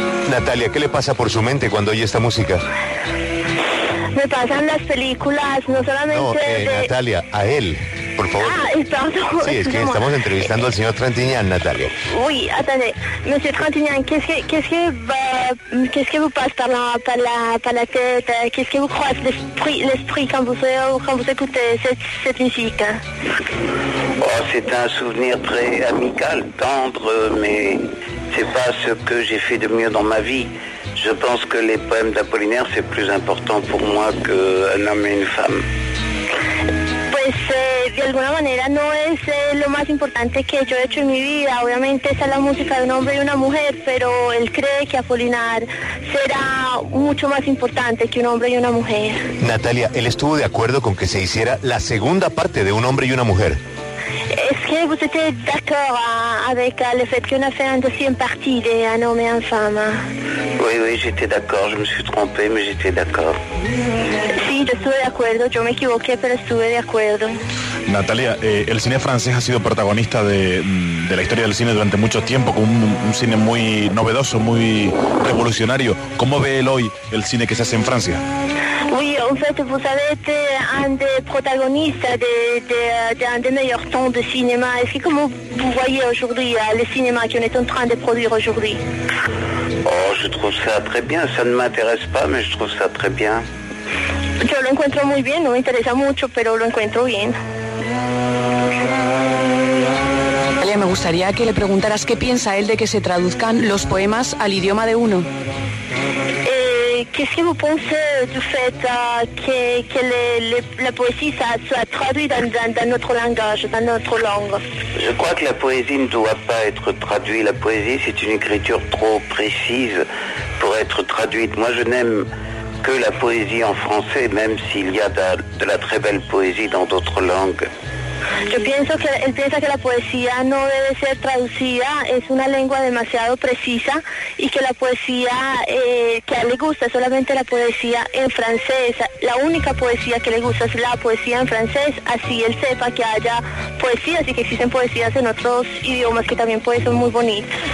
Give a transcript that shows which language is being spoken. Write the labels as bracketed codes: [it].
[es] Natalia, ¿qué le pasa por su mente cuando oye esta música? Me pasan las películas, no solamente... No, Natalia, a él, por favor. Ah, perdón. Sí, es que estamos entrevistando al señor Trintignant, Natalia. [fr] Uy, attendez, monsieur Trintignant, [es] ¿qué es que [fr] vous passe par la tête? [es] ¿Qué es que [fr] vous croise l'esprit quand vous écoutez cette musique? Oh, c'est un souvenir très amical, tendre, mais... C'est pas ce que j'ai fait de mieux dans ma vie. Je pense que les poèmes d'Apollinaire, c'est plus important pour moi qu'un homme et une femme. [es] Pues, de alguna manera, no es lo más importante que yo he hecho en mi vida. Obviamente, esa es la música de un hombre y una mujer, pero él cree que Apollinaire será mucho más importante que un hombre y una mujer. Natalia, él estuvo de acuerdo con que se hiciera la segunda parte de Un hombre y una mujer. [fr] Est-ce que vous êtes d'accord avec le fait qu'on a fait une deuxième partie d'un homme et une femme? Oui, j'étais d'accord, je me suis trompé, mais j'étais d'accord. [es] Sí, yo estuve de acuerdo, yo me equivoqué, pero estuve de acuerdo. Natalia, el cine francés ha sido protagonista de la historia del cine durante mucho tiempo, con un cine muy novedoso, muy revolucionario. ¿Cómo ve él hoy el cine que se hace en Francia? [fr] En fait, vous avez été un des protagonistes d'un des meilleurs temps de cinéma. Est-ce que comment vous voyez aujourd'hui le cinéma qu'on est en train de produire aujourd'hui? Oh, je trouve ça très bien. Ça ne m'intéresse pas, mais je trouve ça très bien. Je [es] lo encuentro muy bien. No me interesa mucho, pero lo encuentro bien. Natalia, me gustaría que le preguntaras qué piensa él de que se traduzcan los poemas al idioma de uno. [fr] Qu'est-ce que vous pensez du fait que la poésie soit traduite dans notre langage, dans notre langue? Je crois que la poésie ne doit pas être traduite. La poésie, c'est une écriture trop précise pour être traduite. Moi, je n'aime que la poésie en français, même s'il y a de la très belle poésie dans d'autres langues. [es] Yo pienso que él piensa que la poesía no debe ser traducida, es una lengua demasiado precisa, y que la poesía que a él le gusta es solamente la poesía en francés. La única poesía que le gusta es la poesía en francés, así él sepa que haya poesías y que existen poesías en otros idiomas que también pues son muy bonitas.